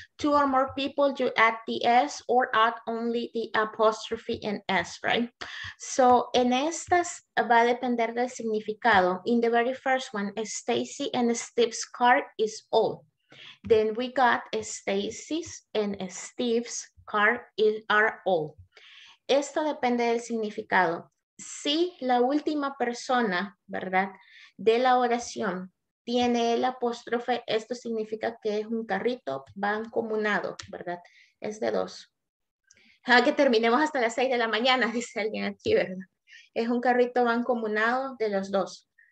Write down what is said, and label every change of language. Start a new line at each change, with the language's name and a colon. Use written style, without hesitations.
English: Two or more people, you add the S or add only the apostrophe in S, right?
Spanish: So, en estas va a depender del significado.
English: In the very first one, Stacy and Steve's car is old. Then we got Stacy's and Steve's car are old.
Spanish: Esto depende del significado. Si la última persona, ¿verdad?, de la oración tiene el apóstrofe, esto significa que es un carrito, va encomunado, ¿verdad? Es de dos. Ah, que terminemos hasta las 6 de la mañana, dice alguien aquí, ¿verdad? Es un carrito, va encomunado de los dos.